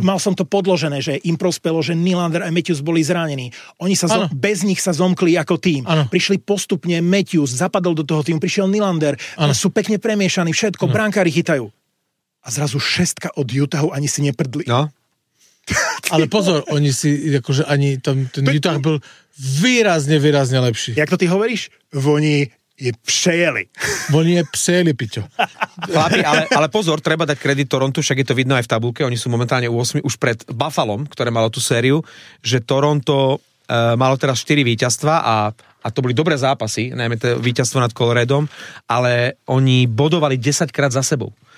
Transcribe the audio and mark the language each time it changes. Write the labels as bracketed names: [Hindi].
[Slovak] Mal som to podložené, že im prospelo, že Nylander a Matthews boli zranení. Oni sa bez nich sa zomkli ako tým. Ano. Prišli postupne Matthews, zapadol do toho týmu, prišiel Nylander. Ano. Sú pekne premiešaní, všetko, brankári chytajú. A zrazu šestka od Utahu ani si neprdli. No. [Czech] Ale pozor, oni si, akože ani tam, ten Utah byl výrazně, výrazně lepší. Jak to ty hovoríš? Oni je přejeli. Oni je přejeli, Piťo. [Slovak] Chlapi, ale pozor, treba dať kredit Torontu, však je to vidno aj v tabulke, oni sú momentálne u 8, už pred Buffalom, ktoré malo tú sériu, že Toronto malo teraz 4 víťazstva a to boli dobré zápasy, najmä to víťazstvo nad Coloradom, ale oni bodovali 10 krát za sebou.